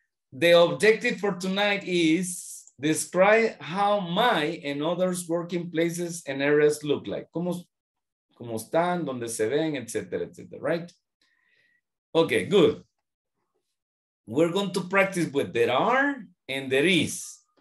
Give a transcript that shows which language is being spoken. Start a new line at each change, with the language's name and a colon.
English: The objective for tonight is describe how my and others' working places and areas look like.
Spanish: ¿Cómo están, dónde se ven, etcétera, etcétera,
English: right? Okay, good. We're going to practice with there are and there is.